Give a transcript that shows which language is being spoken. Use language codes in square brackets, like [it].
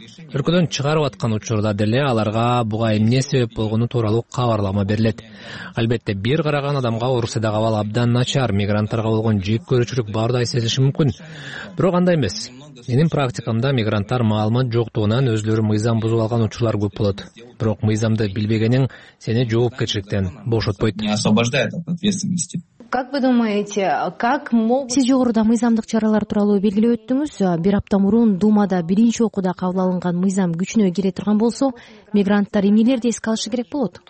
[ky] Өлкөдөн чыгарып аткан учурда деле аларга буга эмне себеп болгону тууралуу кабарлама берилет. Албетте, бир караган адамга Орусиядагы абал абдан начар, мигранттарга болгон жек көрүүчүлүк бардай сезилиши мүмкүн. Бирок андай эмес. Менин практикамда мигранттар маалымат жоктугунан өзлөрү мыйзам бузуп алган учурлар көп болот. Бирок мыйзамды билбегениң сени жоопкерчиликтен бошотпойт. [ru] Не освобождает от ответственности. Как вы думаете, как могут... [ky] Сиз жогоруда мыйзамдык чаралар тууралуу белгилеп өттүңүз. Бир апта мурун Думада биринчи окууда кабыл алынган мыйзам күчүнө кире турган болсо, мигранттар эмнелерди эске алышы керек болот?